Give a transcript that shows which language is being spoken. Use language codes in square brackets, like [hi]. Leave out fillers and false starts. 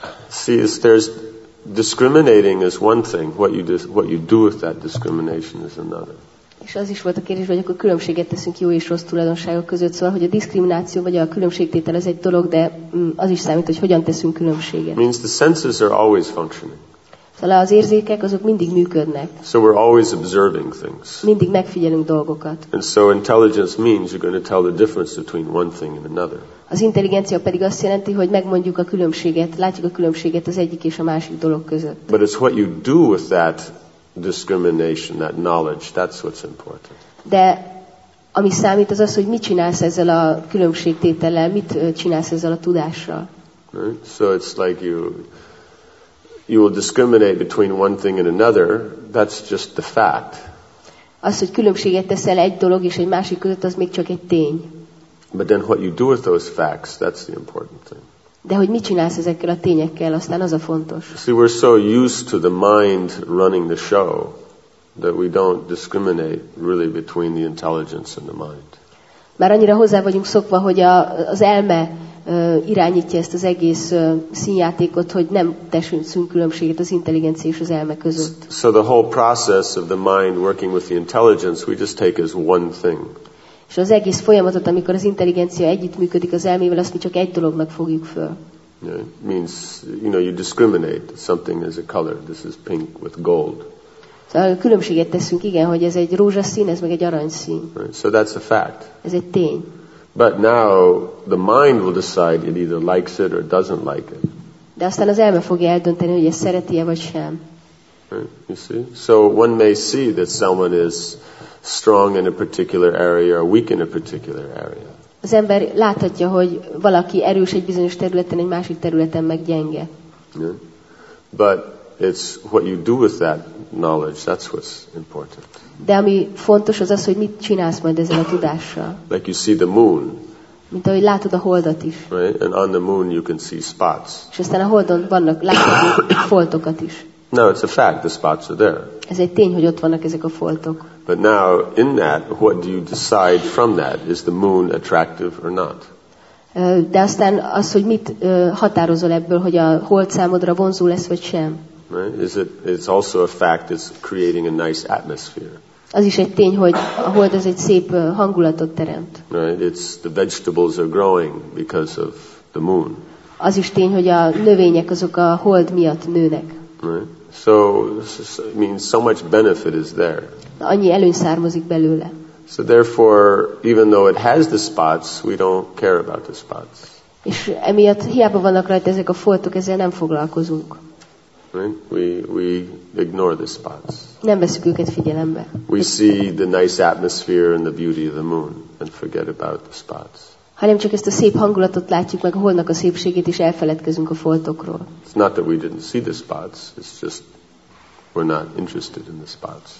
[en] See, there's discriminating is one thing. What you do with that discrimination is another. [hu] És az is volt a kérdés, hogy akkor különbséget teszünk jó és rossz tulajdonságok között, szóval, hogy a diszkrimináció vagy a különbségtétel ez egy dolog, de az is számít, hogy hogyan teszünk különbséget. [en] Means the senses are always functioning. [hu] Szóval az érzékek azok mindig működnek. [en] So we're always observing things. [hu] Mindig megfigyelünk dolgokat. [en] And so intelligence means you're going to tell the difference between one thing and another. [hu] Az intelligencia pedig azt jelenti, hogy megmondjuk a különbséget, látjuk a különbséget az egyik és a másik dolog között. [en] But it's what you do with that discrimination, that knowledge, that's what's important. [hu] De ami számít az, hogy mit csinálsz ezzel a különbségtétellel, mit csinálsz ezzel a tudással. [en] Right? So it's like you will discriminate between one thing and another, that's just the fact. [hu] Az, hogy különbséget teszel egy dolog és egy másik között, az még csak egy tény. [en] But then what you do with those facts, that's the important thing. [hu] De hogy mit csinálsz ezekkel a tényekkel, aztán az a fontos. [en] See, we're so used to the mind running the show that we don't discriminate really between the intelligence and the mind. [hu] Már annyira hozzá vagyunk szokva, hogy az elme irányítja ezt az egész színjátékot, hogy nem teszünk különbséget az intelligencia és az elme között. [en] So the whole process of the mind working with the intelligence, we just take as one thing. [hu] És az egész folyamatot, amikor az intelligencia együttműködik az elmével, azt mi csak egy dolognak fogjuk föl. [en] Yeah, means, you discriminate. Something is a color. This is pink with gold. [hu] Szóval különbséget teszünk, igen, hogy ez egy rózsaszín, ez meg egy aranyszín. [en] Right, so that's a fact. [hu] Ez egy tény. [en] But now the mind will decide it either likes it or doesn't like it. [hu] De aztán az elme fogja eldönteni, hogy ezt szereti-e vagy sem. [en] Right, you see? So one may see that someone is strong in a particular area or weak in a particular area. [hu] Az ember láthatja, hogy valaki erős egy bizonyos területen, egy másik területen meg gyenge. [en] But it's what you do with that knowledge, that's what's important. [hu] De ami fontos, az az, hogy mit csinálsz majd ezzel a tudással. [en] Like you see the moon. [hu] Mint ahogy látod a holdat is. [en] Right? And on the moon you can see spots. [hu] És aztán a holdon vannak, látod a foltokat is. [en] No, it's a fact, the spots are there. [hu] Ez egy tény, hogy ott vannak ezek a foltok. [en] But now, in that, what do you decide from that? Is the moon attractive or not? [hu] De aztán az, hogy mit határozol ebből, hogy a hold számodra vonzó lesz, vagy sem. [en] Right? Is it, it's also a fact, it's creating a nice atmosphere. [hu] Az is egy tény, hogy a hold az egy szép hangulatot teremt. [en] Right? It's the vegetables are growing because of the moon. [hu] Az is tény, hogy a növények azok a hold miatt nőnek. [en] Right? So, I mean, so much benefit is there. [hu] Annyi előny származik belőle. [en] So therefore, even though it has the spots, we don't care about the spots. [hu] És emiatt hiába vannak rajta ezek a foltok, ezzel nem foglalkozunk. [en] Right? We ignore the spots. [hu] Nem veszük őket figyelembe. [en] We see the nice atmosphere and the beauty of the moon and forget about the spots. [hu] Hanem csak ezt a szép hangulatot látjuk meg a holdnak a szépségét, és elfeledkezünk a foltokról. [en] It's not that we didn't see the spots, it's just we're not interested in the spots.